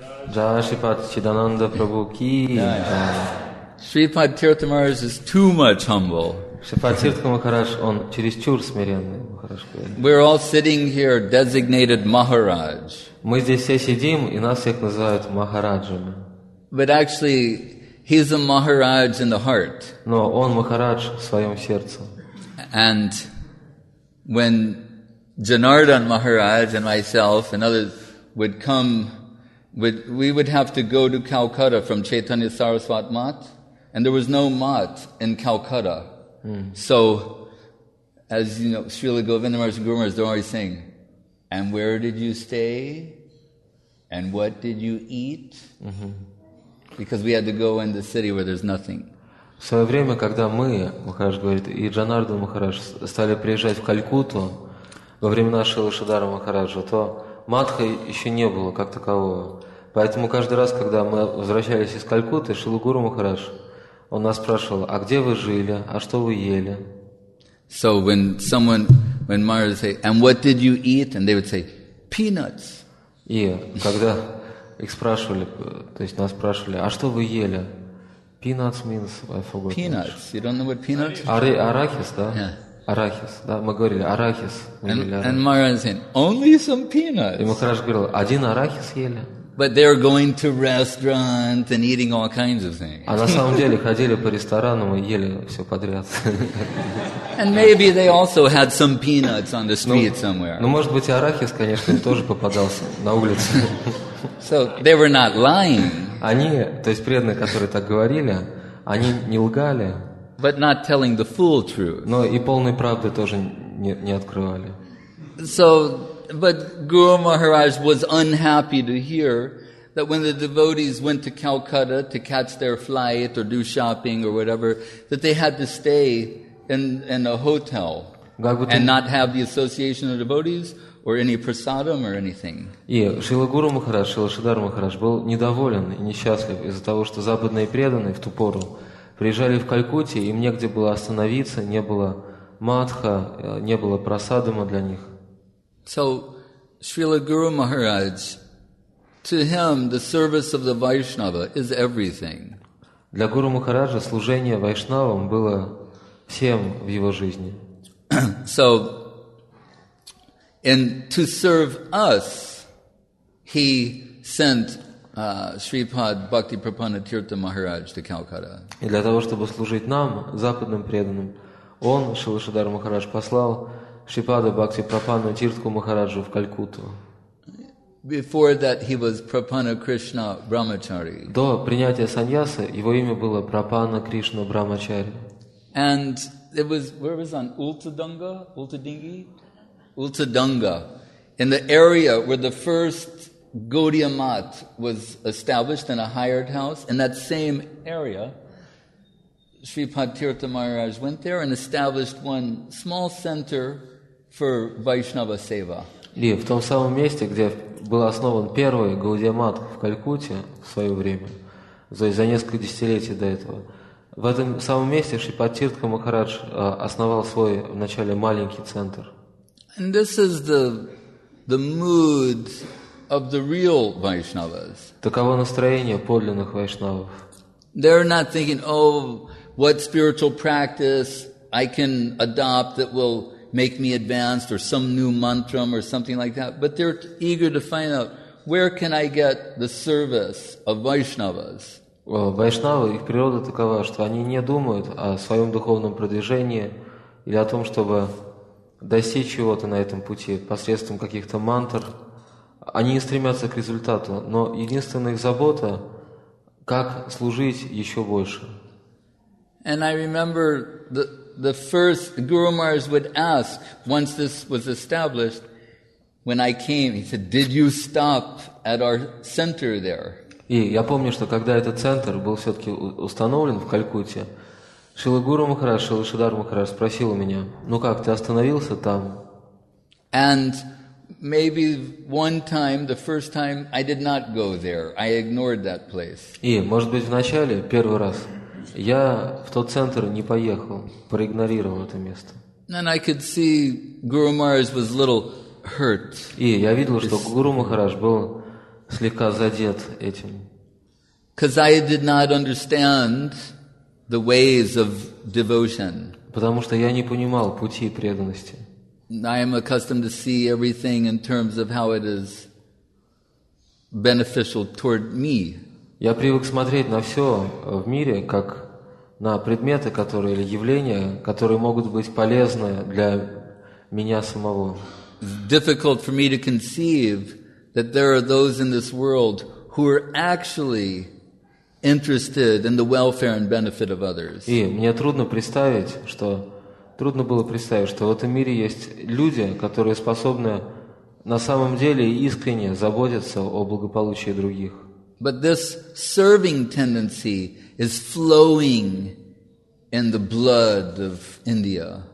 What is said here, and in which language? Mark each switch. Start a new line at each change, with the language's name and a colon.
Hindi: Джайшипад Чидананда Прабху ки.
English: Шрипад Тиртха Махарадж is too much humble.
Russian: Шрипад Тиртха Махарадж, он чересчур смиренный Махарадж.
English: We're all sitting here designated Maharaj.
Russian: Мы здесь все сидим, и нас всех называют Махараджами.
English: But actually, he's a Maharaj in the heart.
Russian: Но он Махарадж в своем сердце.
English: And when Janardhan Maharaj and myself and others would come we would have to go to Calcutta from Chaitanya Saraswat Math, and there was no math in Calcutta. Mm. So, as you know, Srila Govinda Maharaj and Guru Maharaj, they're always saying, and where did you stay? And what did you eat? Mm-hmm. Because we had to go in the city where there's nothing.
Russian: В свое время, когда мы, Махарадж говорит, и Джанарда Махарадж стали приезжать в Калькутту во время нашего Шадара Махараджа, то матха еще не было как такового. Поэтому каждый раз, когда мы возвращались из Калькутты, Шрила Гуру Махарадж, он нас спрашивал, а где вы жили, а что вы ели?
English: So when someone, when Mara would say, and what did you eat? And they would say, peanuts.
Russian: И когда их спрашивали, то есть нас спрашивали, а что вы ели?
English: Peanuts means, I forgot. Peanuts. You don't know what peanuts are? Arachis,
Russian: да?
English: Yeah.
Russian: Arachis, да? Мы говорили, арахис.
English: And Mara is saying, only some peanuts.
Russian: И Махарадж говорил, один арахис ели.
English: But they are going to restaurants and eating all kinds of things.
Russian: А на самом деле ходили по ресторанам и ели все подряд.
English: And maybe they also had some peanuts on the street somewhere.
Russian: Ну, может быть, арахис, конечно, тоже попадался на улице.
English: So they were not lying.
Russian: Они, то есть преданные, которые так говорили, они не лгали.
English: But not telling the full truth.
Russian: Но и полной правды тоже не открывали.
English: So, but Guru Maharaj was unhappy to hear that when the devotees went to Calcutta to catch their flight or do shopping or whatever, that they had to stay in a hotel and not have the association of devotees or any prasadam or anything.
Russian: И Шрила Гуру Махарадж, Шрила Шридхар Махарадж был недоволен и несчастлив из-за того, что западные преданные в ту пору приезжали в Калькутте, им негде было остановиться, не было матха, не было прасадама для них.
English: So, Srila Guru Maharaj, to him, the service of the Vaishnava is everything.
Russian: Для Гуру Махараджа служение вайшнавам было всем в его жизни.
English: So, and to serve us, he sent Shripad Bhakti Prapanna Tirtha Maharaj to Calcutta.
Russian: И для того, чтобы служить нам, западным преданным, он, Шрила Шридхар Махарадж, послал Шрипада Бхакти Прапанну Тиртху Махараджу в Калькутту.
English: Before that he was Prapanna Krishna Brahmachari.
Russian: До принятия саньяса его имя было Прапанна Кришна Брамачари.
English: And it was, where was on Ultadanga? Ultadingi? Ultadanga. In the area where the first Gaudiya Math was established in a hired house, in that same area, Shripad Tirtha Maharaj went there and established one small center for Vaishnava Seva.
Russian: И в том самом месте, где был основан первый Гаудия Мат в Калькутте в свое время, за несколько десятилетий до этого, в этом самом месте Шрипад Тиртха Махарадж основал свой вначале маленький центр.
English: And this is the mood of the real Vaishnavas.
Russian: Таково настроение подлинных вайшнавов.
English: They're not thinking, oh, what spiritual practice I can adopt that will make me advanced, or some new mantra or something like that. But they're eager to find out, where can I get the service of Vaishnavas?
Russian: Вайшнавы, их природа такова, что они не думают о своем духовном продвижении или о том, чтобы достичь чего-то на этом пути посредством каких-то мантр. Они не стремятся к результату, но единственная их забота — как служить еще больше.
English: And I remember the first Guru Maharaj would ask, once this was established, when I came, he said, did you stop at our center there?
Russian: И я помню, что когда этот центр был все-таки установлен в Калькутте, Шрила Гуру Махарадж, Шрила Шридхар Махарадж спросил у меня, ну как, ты остановился там?
English: And maybe one time, the first time, I did not go there. I ignored that place.
Russian: И, может быть, вначале, первый раз, я в тот центр не поехал, проигнорировал это место.
English: And I could see Guru Maharaj was a little hurt.
Russian: И я видел, что Гуру Махарадж был слегка задет этим.
English: Because I did not understand the ways of devotion.
Russian: Потому что я не понимал пути преданности.
English: I am accustomed to see everything in terms of how it is beneficial toward me.
Russian: Я привык смотреть на все в мире как на предметы, которые или явления, которые могут быть полезны для меня самого.
English: It's difficult for me to conceive that there are those in this world who are actually interested in the welfare and benefit of others.
Russian: И мне трудно представить, что трудно было представить, что в этом мире есть люди, которые способны на самом деле искренне заботиться о благополучии других.
English: But this serving tendency is flowing in the blood of India.